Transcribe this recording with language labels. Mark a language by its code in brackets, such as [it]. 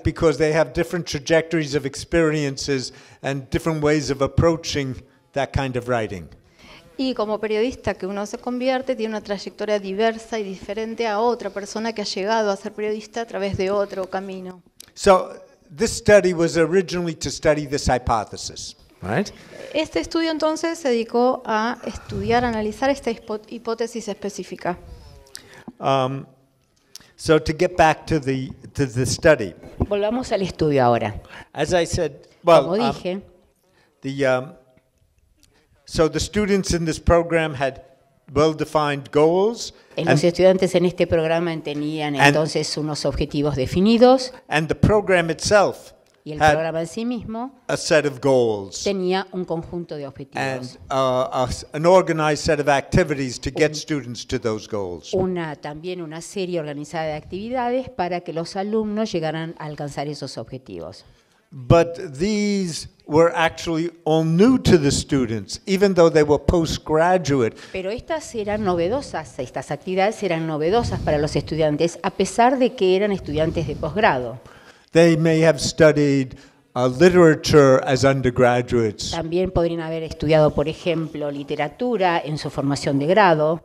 [en] Because they have different trajectories of experiences and different ways of approaching that kind of writing. [es] Y como periodista que uno se convierte, tiene una trayectoria diversa y diferente a otra persona que ha llegado a ser periodista a través de otro camino. [en] So, this study was originally to study this hypothesis, right? [es] Este estudio entonces se dedicó a estudiar, analizar esta hipótesis específica. [en] So, to get back to the study. [es] Volvamos al estudio ahora. [en] As I said, well, [es] como dije, [en] So the students in this program had well-defined goals. [es] Los estudiantes en este programa tenían entonces unos objetivos definidos. [en] And the program itself [es] Y el programa en sí mismo [en] a set of goals [es] tenía un conjunto de objetivos. [en] And an organized set of activities to get students to those goals. [es] También una serie organizada de actividades para que los alumnos llegaran a alcanzar esos objetivos. [en] But these were actually all new to the students, even though they were postgraduate. [es] Pero estas actividades eran novedosas para los estudiantes, a pesar de que eran estudiantes de posgrado. [en] They may have studied literature as undergraduates. [es] También podrían haber estudiado, por ejemplo, literatura en su formación de grado.